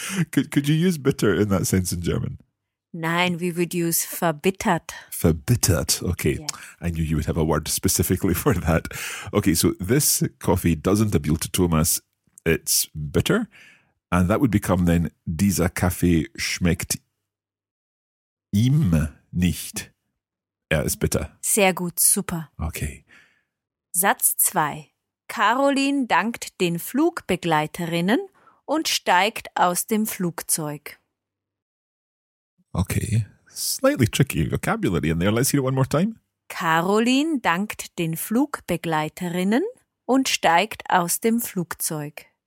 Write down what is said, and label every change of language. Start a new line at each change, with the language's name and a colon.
English: could you use bitter in that sense in German? Nein, we would use verbittert. Verbittert. Okay. Yeah. I knew you would have a word specifically for that. Okay, so this coffee doesn't appeal to Thomas. It's bitter. And that would become then,
German: dieser Kaffee schmeckt ihm nicht. Er ist bitter. Sehr gut, super.
English: Okay.
German: Satz 2. Caroline dankt den Flugbegleiterinnen und steigt aus dem Flugzeug.
English: Okay, slightly tricky vocabulary in there. Let's hear it one more time.
German: Caroline dankt den Flugbegleiterinnen und steigt aus dem Flugzeug.